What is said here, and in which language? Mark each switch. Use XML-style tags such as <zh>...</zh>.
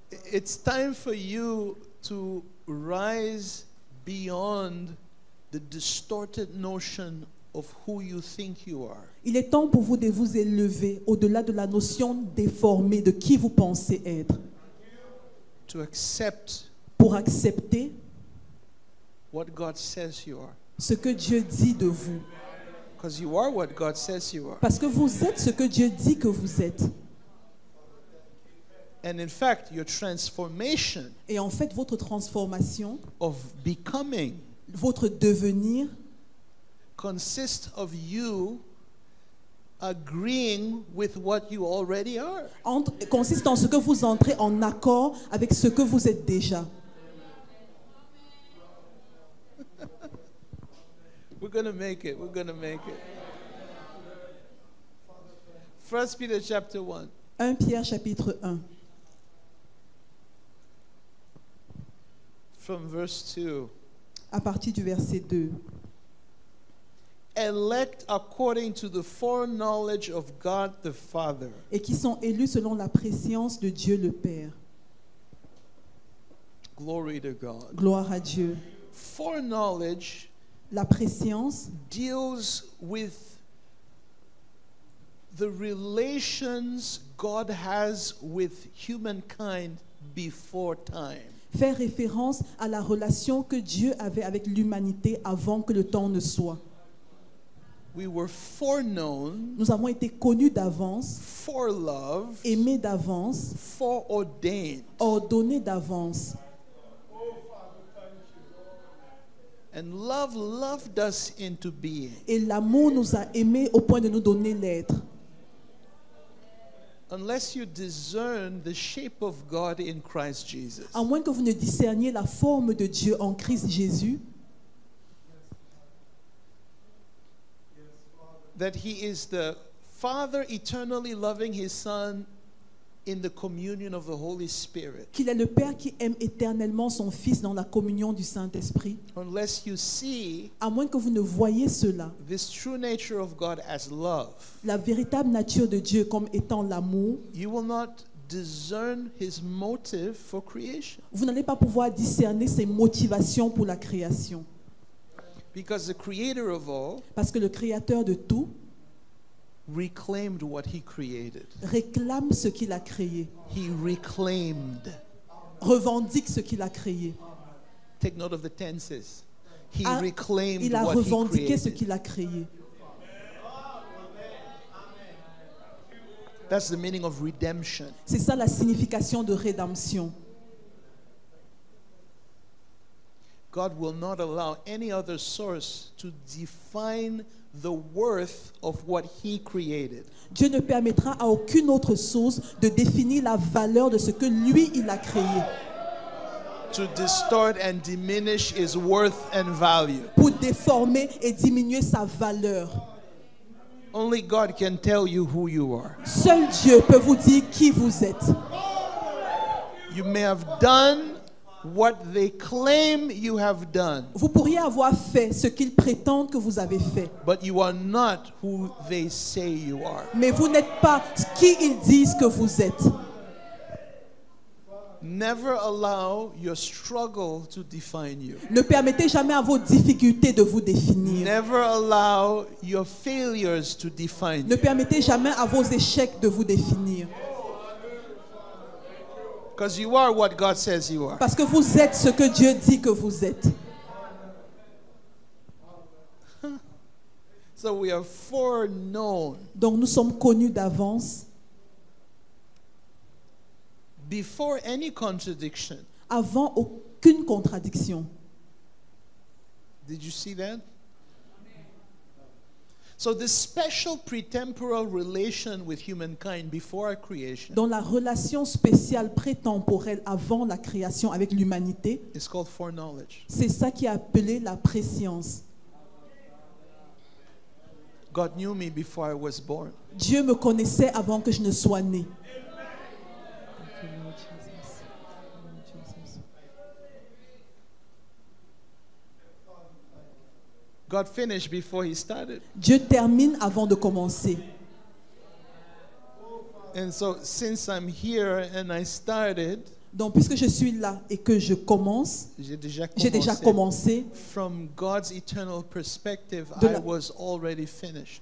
<en>It's time for you to rise beyond the distorted notion of who you think you are.</en> <fr>Il est temps pour vous de vous élever au-delà de la notion déformée de qui vous pensez être.</fr> <en>To accept.</en> <fr>Pour accepter.</fr> <en>What God says you are.</en> <fr>Ce que Dieu dit de vous.</fr> <en>Because you are what God says you are.</en> <fr>Parce que vous êtes ce que Dieu dit que vous êtes.</fr> <en>And in fact, your transformation.</en> <fr>Et en fait, votre transformation.</fr> <en>Of becoming.</en> <fr>Votre devenir.</fr> <en>Consist of you agreeing with what you already are.</en> <fr>Consiste en ce que vous entrez en accord avec ce que vous êtes déjà.</fr> <en>We're going to make it. We're going to make it. 1 Peter chapter 1.</en> <fr>1 Pierre chapitre 1.</fr> <en>From verse 2.</en> <fr>À partir du verset 2.</fr> <en>Elect according to the foreknowledge of God the Father.</en> <fr>Et qui sont élus selon la préscience de Dieu le Père.</fr> <en>Glory to God.</en> <fr>Gloire à Dieu.</fr> <en>Foreknowledge.</en> <fr>La préscience.</fr> <en>Deals with the relations God has with humankind before time.</en> <fr>Fait référence à la relation que Dieu avait avec l'humanité avant que le temps ne soit.</fr> <en>We were foreknown.</en> <fr>Nous avons été connus d'avance.</fr> <en>Foreloved.</en> <fr>Aimés d'avance.</fr> <en>Foreordained.</en> <fr>Ordonnés d'avance.</fr> <en>And love loved us into being.</en> <fr>Et l'amour nous a aimés au point de nous donner l'être.</fr> <en>Unless you discern the shape of God in Christ Jesus.</en> <fr>À moins que vous ne discerniez la forme de Dieu en Christ Jésus.</fr> <en>That he is the Father eternally loving his Son in the communion of the Holy Spirit.</en> <fr>Qu'il est le Père qui aime éternellement son Fils dans la communion du Saint-Esprit.</fr> <en>Unless you see,</en> <fr>à moins que vous ne voyez cela,</fr> <en>this true nature of God as love,</en> <fr>la véritable nature de Dieu comme étant l'amour,</fr> <en>you will not discern his motive for creation.</en> <fr>Vous n'allez pas pouvoir discerner ses motivations pour la création.</fr> <en>Because the creator of all,</en> <fr>parce que le créateur de tout,</fr> <en>reclaimed what he created.</en> <fr>Réclame ce qu'il a créé.</fr> <en>He reclaimed.</en> <fr>Revendique ce qu'il a créé.</fr> <en>Take note of the tenses. He reclaimed.</en> <fr>Il a revendiqué ce qu'il a créé.</fr> <en>That's the meaning of redemption.</en> <fr>C'est ça la signification de rédemption.</fr> <en>God will not allow any other source to define the worth of what he created.</en> <fr>Dieu ne permettra à aucune autre source de définir la valeur de ce que lui il a créé.</fr> <en>To distort and diminish his worth and value.</en> <fr>Pour déformer et diminuer sa valeur.</fr> <en>Only God can tell you who you are.</en> <fr>Seul Dieu peut vous dire qui vous êtes.</fr> <en>You may have done what they claim you have done.</en> <fr>Vous pourriez avoir fait ce qu'ils prétendent que vous avez fait.</fr> <en>But you are not who they say you are.</en> <fr>Mais vous n'êtes pas qui ils disent que vous êtes.</fr> <en>Never allow your struggle to define you.</en> <fr>Ne permettez jamais à vos difficultés de vous définir.</fr> <en>Never allow your failures to define you.</en> <fr>Ne permettez jamais à vos échecs de vous définir.</fr> <en>Because you are what God says you are.</en> <fr>Parce que vous êtes ce que Dieu dit que vous êtes.</fr> <en>So we are foreknown.</en> <fr>Donc nous sommes connus d'avance.</fr> <en>Before any contradiction.</en> <fr>Avant aucune contradiction.</fr> <en>Did you see that? So this special pretemporal relation with humankind before our creation.</en> <fr>Dans la relation spéciale prétemporelle avant la création avec l'humanité.</fr> <en>It's called foreknowledge.</en> <fr>C'est ça qui est appelé la préscience.</fr> <en>God knew me before I was born.</en> <fr>Dieu me connaissait avant que je ne sois né.</fr> <en>God finished before he started.</en> <fr>Dieu termine avant de commencer.</fr> <en>And so since I'm here and I started,</en> <fr>donc puisque je suis là et que je commence, j'ai déjà commencé.</fr> <en>From God's eternal perspective, I was already finished.</en>